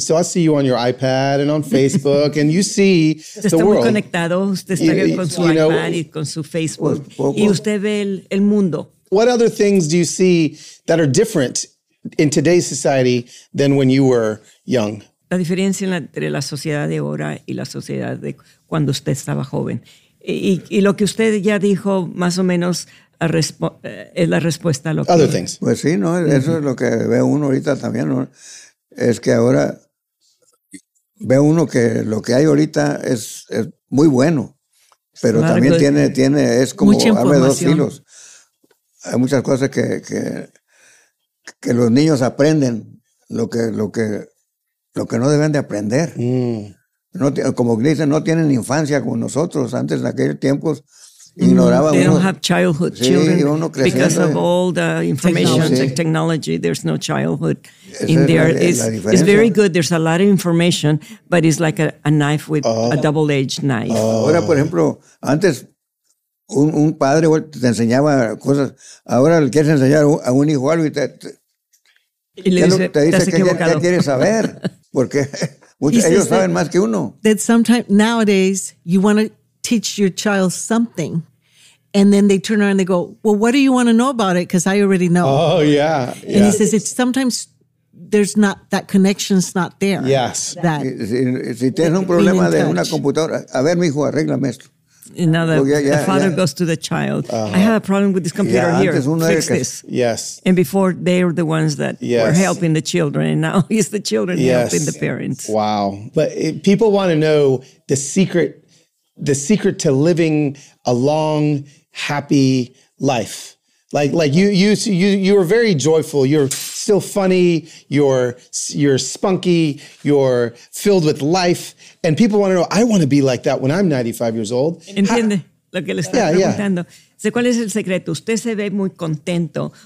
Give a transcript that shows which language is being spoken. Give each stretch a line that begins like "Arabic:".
English: So I see you on your iPad and on Facebook, and you see the world.
Spanish: Está muy conectado. Usted está con su iPad y con su Facebook. Y usted ve el mundo.
English: What other things do you see that are different in today's society than when you were young?
Spanish: La diferencia entre la sociedad de ahora y la sociedad de cuando usted estaba joven. Y lo que usted ya dijo, más o menos... es la respuesta a lo
English: other
Spanish: que...
English: things.
Spanish: Pues sí, ¿no? Uh-huh. Eso es lo que ve uno ahorita también, ¿no? Es que ahora ve uno que lo que hay ahorita es muy bueno, pero claro, también tiene es como abre dos filos. Hay muchas cosas que los niños aprenden lo que no deben de aprender. Mm. No, como dicen, no tienen infancia como nosotros. Antes, en aquellos tiempos, Ignoraba
English: they don't have childhood children because of all the information technology. Technology. There's no childhood in there. It's very good. There's a lot of information, but it's like a knife with a double-edged knife.
Spanish: Ahora, por ejemplo, antes un padre te enseñaba cosas. Ahora le quieres enseñar a un hijo algo y te dice que ya quiere saber. Porque ellos saben más que uno.
English: That sometimes, nowadays, you want to teach your child something. And then they turn around and they go, well, what do you want to know about it? Because I already know. Oh, yeah. And he says, it's sometimes there's not, that connection's not there. Yes. That,
Spanish: si tienes un problema de una computadora, a ver, mijo, arréglame esto.
English: Now the father goes to the child. Uh-huh. I have a problem with this computer here. Fix this. Yes. And before, they were the ones that were helping the children. And now it's the children helping the parents. Wow. But people want to know the secret to living a long, happy life. Like you were very joyful. You're still funny. You're spunky. You're filled with life. And people want to know, I want to be like that when I'm 95 years old.
Spanish: Entiende lo que le estoy preguntando. ¿Sé cuál es el secreto? Usted se ve muy contento.